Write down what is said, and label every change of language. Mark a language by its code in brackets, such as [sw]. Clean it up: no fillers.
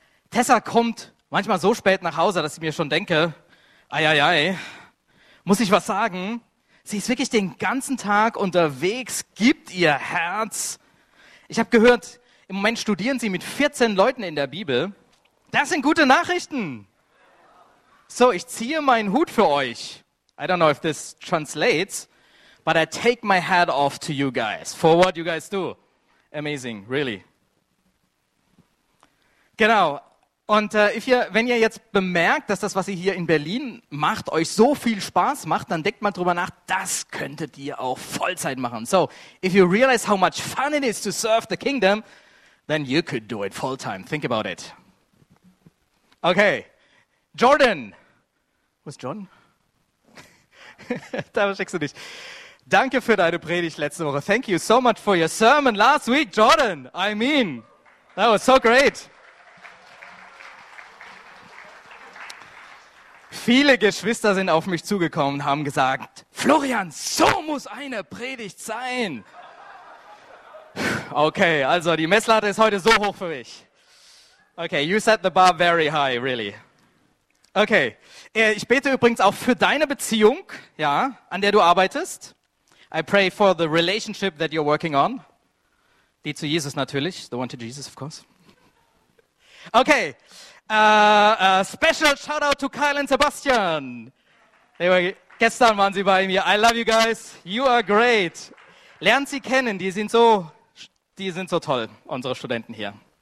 [de] Tessa kommt manchmal so spät nach Hause, dass ich mir schon denke, eieiei, muss ich was sagen? Sie ist wirklich den ganzen Tag unterwegs, gibt ihr Herz. Ich habe gehört, im Moment studieren sie mit 14 Leuten in der Bibel. Das sind gute Nachrichten. So, ich ziehe meinen Hut für euch. [en] I don't know if this translates, but I take my hat off to you guys for what you guys do. Amazing, really. [de] Genau. Und wenn ihr jetzt bemerkt, dass das, was ihr hier in Berlin macht, euch so viel Spaß macht, dann denkt mal drüber nach, das könntet ihr auch Vollzeit machen. [en] So, if you realize how much fun it is to serve the kingdom, then you could do it full time. Think about it. Okay, Jordan. [de] Wo ist John? Da versteckst du dich. Danke für deine Predigt letzte Woche. [en] Thank you so much for your sermon last week, Jordan. I mean, that was so great. [de] Viele Geschwister sind auf mich zugekommen und haben gesagt, Florian, so muss eine Predigt sein. Okay, also die Messlatte ist heute so hoch für mich. [en] Okay, you set the bar very high, really. [de] Okay, ich bete übrigens auch für deine Beziehung, ja, an der du arbeitest. [en] I pray for the relationship that you're working on. [de] Die zu Jesus natürlich, [en] the one to Jesus, of course. Okay. Special shout out to Kyle and Sebastian. [de] Gestern waren sie bei mir. [en] I love you guys. You are great. [de] Lernt sie kennen. Die sind so toll. Unsere Studenten hier.